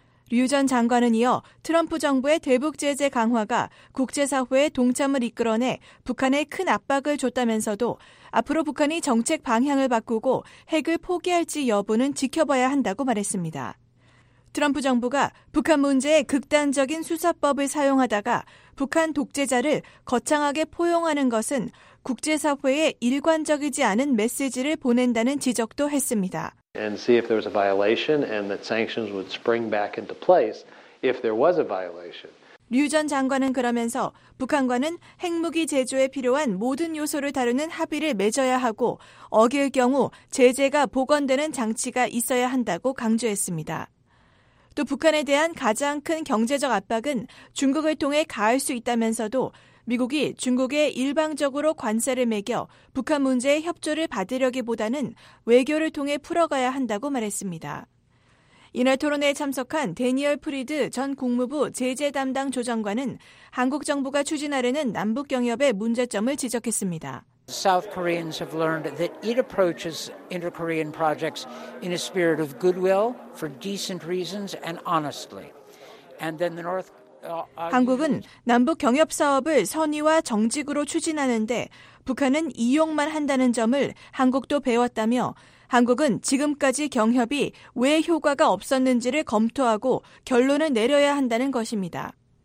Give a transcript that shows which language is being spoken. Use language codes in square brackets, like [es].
[ko] 류 전 장관은 이어 트럼프 정부의 대북 제재 강화가 국제사회의 동참을 이끌어내 북한에 큰 압박을 줬다면서도 앞으로 북한이 정책 방향을 바꾸고 핵을 포기할지 여부는 지켜봐야 한다고 말했습니다. 트럼프 정부가 북한 문제에 극단적인 수사법을 사용하다가 북한 독재자를 거창하게 포용하는 것은 국제사회에 일관적이지 않은 메시지를 보낸다는 지적도 했습니다. [en] And see if there was a violation and that sanctions would spring back into place if there was a violation. [ko] 류 전 장관은 그러면서 북한과는 핵무기 제조에 필요한 모든 요소를 다루는 합의를 맺어야 하고 어길 경우 제재가 복원되는 장치가 있어야 한다고 강조했습니다. 또 북한에 대한 가장 큰 경제적 압박은 중국을 통해 가할 수 있다면서도 미국이 중국에 일방적으로 관세를 매겨 북한 문제에 협조를 받으려기보다는 외교를 통해 풀어가야 한다고 말했습니다. 이날 토론회에 참석한 대니얼 프리드 전 국무부 제재 담당 조정관은 한국 정부가 추진하려는 남북 경협의 문제점을 지적했습니다. [en] South Koreans have learned that it approaches inter-Korean projects in a spirit of goodwill for decent reasons and honestly. And then the North [ko] 한국은 남북 경협 사업을 선의와 정직으로 추진하는데 북한은 이용만 한다는 점을 한국도 배웠다며 한국은 지금까지 경협이 왜 효과가 없었는지를 검토하고 결론을 내려야 한다는 것입니다.